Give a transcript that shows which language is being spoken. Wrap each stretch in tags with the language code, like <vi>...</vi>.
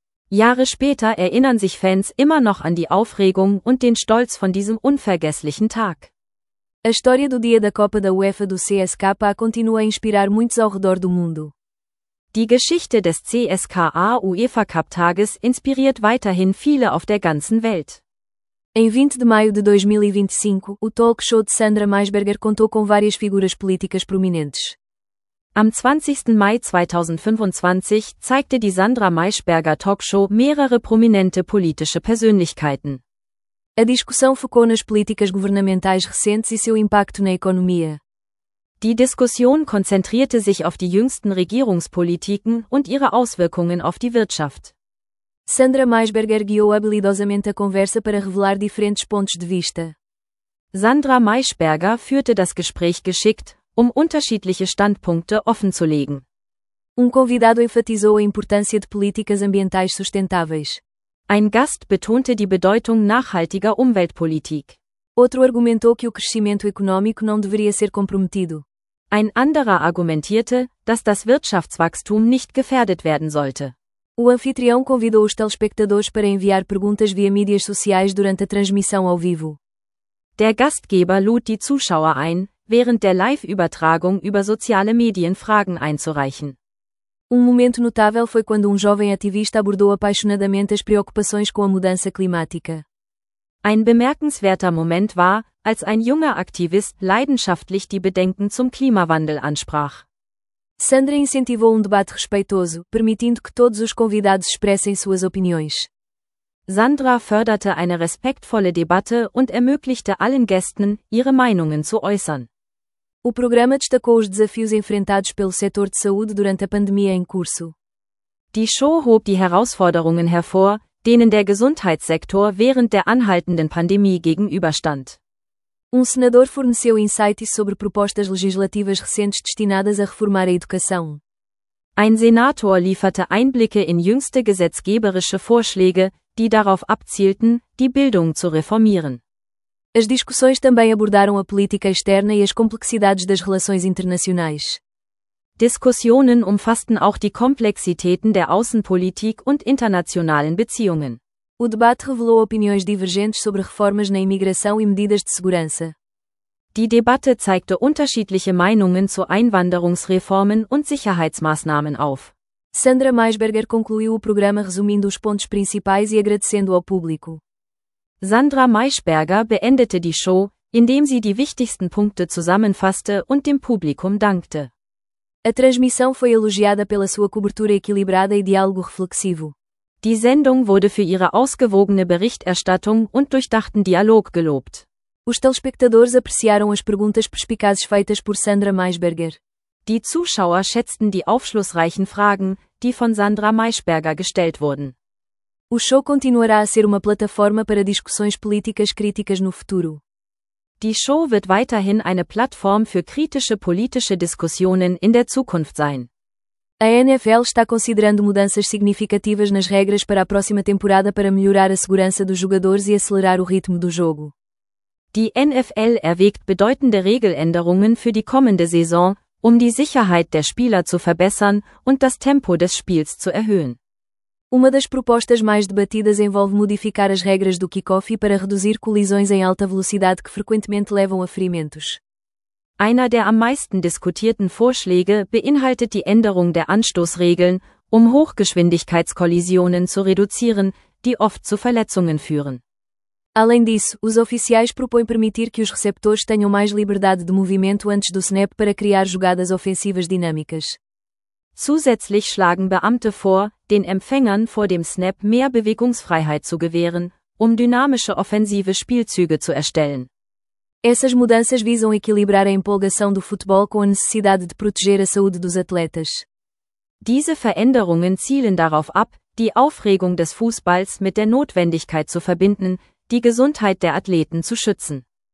<de>Jahre später erinnern sich Fans immer noch an die Aufregung und den Stolz von diesem unvergesslichen Tag.</de> <pt>A história do dia da Copa da UEFA do CSKA continua a inspirar muitos ao redor do mundo.</pt> <de>Die Geschichte des CSKA UEFA Cup Tages inspiriert weiterhin viele auf der ganzen Welt.</de> <pt>Em 20 de maio de 2025, o talk show de Sandra Maisberger contou com várias figuras políticas prominentes.</pt> <de>Am 20. Mai 2025 zeigte die Sandra Maisberger Talkshow mehrere prominente politische Persönlichkeiten.</de> <pt>A discussão focou nas políticas governamentais recentes e seu impacto na economia.</pt> <de>Die Diskussion konzentrierte sich auf die jüngsten Regierungspolitiken und ihre Auswirkungen auf die Wirtschaft.</de> <pt>Sandra Maisberger guiou habilidosamente a conversa para revelar diferentes pontos de vista.</pt> <de>Sandra Maisberger führte das Gespräch geschickt, unterschiedliche Standpunkte offenzulegen.</de> <pt>Convidado enfatizou a importância de políticas ambientais sustentáveis.</pt> <de>Ein Gast betonte die Bedeutung nachhaltiger Umweltpolitik.</de> <pt>Outro argumentou que o crescimento econômico não deveria ser comprometido.</pt> <de>Ein anderer argumentierte, dass das Wirtschaftswachstum nicht gefährdet werden sollte.</de> <pt>O anfitrião convidou os telespectadores para enviar perguntas via mídias sociais durante a transmissão ao vivo.</pt> <de>Der Gastgeber lud die Zuschauer ein, während der Live-Übertragung über soziale Medien Fragen einzureichen.</de> <pt>Momento notável foi quando jovem ativista abordou apaixonadamente as preocupações com a mudança climática.</pt> <de>Ein bemerkenswerter Moment war, als ein junger Aktivist leidenschaftlich die Bedenken zum Klimawandel ansprach.</de> <pt>Sandra incentivou debate respeitoso, permitindo que todos os convidados expressem suas opiniões.</pt> <de>Sandra förderte eine respektvolle Debatte und ermöglichte allen Gästen, ihre Meinungen zu äußern.</de> <pt>O programa destacou os desafios enfrentados pelo setor de saúde durante a pandemia em curso.</pt> <de>Die Show hob die Herausforderungen hervor, denen der Gesundheitssektor während der anhaltenden Pandemie gegenüberstand.</de> <pt>Senador forneceu insights sobre propostas legislativas recentes destinadas a reformar a educação.</pt> <de>Ein Senator lieferte Einblicke in jüngste gesetzgeberische Vorschläge, die darauf abzielten, die Bildung zu reformieren.</de> <pt>As discussões também abordaram a política externa e as complexidades das relações internacionais.</pt> <de>Diskussionen umfassten auch die Komplexitäten der Außenpolitik und internationalen Beziehungen.</de> <pt>O debate revelou opiniões divergentes sobre reformas na imigração e medidas de segurança.</pt> <de>Die Debatte zeigte unterschiedliche Meinungen zu Einwanderungsreformen und Sicherheitsmaßnahmen auf.</de> <pt>Sandra Maisberger concluiu o programa resumindo os pontos principais e agradecendo ao público.</pt> <de>Sandra Maisberger beendete die Show, indem sie die wichtigsten Punkte zusammenfasste und dem Publikum dankte.</de> <pt>A transmissão foi elogiada pela sua cobertura equilibrada e diálogo reflexivo.</pt> <de>Die Sendung wurde für ihre ausgewogene Berichterstattung und durchdachten Dialog gelobt.</de> <pt>Os telespectadores apreciaram as perguntas perspicazes feitas por Sandra Maisberger.</pt> <de>Die Zuschauer schätzten die aufschlussreichen Fragen, die von Sandra Maisberger gestellt wurden.</de> <pt>O show continuará a ser uma plataforma para discussões políticas críticas no futuro.</pt> <de>Die Show wird weiterhin eine Plattform für kritische politische Diskussionen in der Zukunft sein.</de> <pt>A NFL está considerando mudanças significativas nas regras para a próxima temporada para melhorar a segurança dos jogadores e acelerar o ritmo do jogo.</pt> <de>Die NFL erwägt bedeutende Regeländerungen für die kommende Saison, die Sicherheit der Spieler zu verbessern und das Tempo des Spiels zu erhöhen.</de> <pt>Uma das propostas mais debatidas envolve modificar as regras do kickoff para reduzir colisões em alta velocidade que frequentemente levam a ferimentos.</pt> <de>Einer der am meisten diskutierten Vorschläge beinhaltet die Änderung der Anstoßregeln, Hochgeschwindigkeitskollisionen zu reduzieren, die oft zu Verletzungen führen.</de> <pt>Além disso, os oficiais propõem permitir que os receptores tenham mais liberdade de movimento antes do snap para criar jogadas ofensivas dinâmicas.</pt> <de>Zusätzlich schlagen Beamte vor, den Empfängern vor dem Snap mehr Bewegungsfreiheit zu gewähren, dynamische offensive Spielzüge zu erstellen.</de> <pt>Essas mudanças visam equilibrar a empolgação do futebol com a necessidade de proteger a saúde dos atletas.</pt> <de>Diese Veränderungen zielen darauf ab, die Aufregung des Fußballs mit der Notwendigkeit zu verbinden, die Gesundheit der Athleten zu schützen.</de>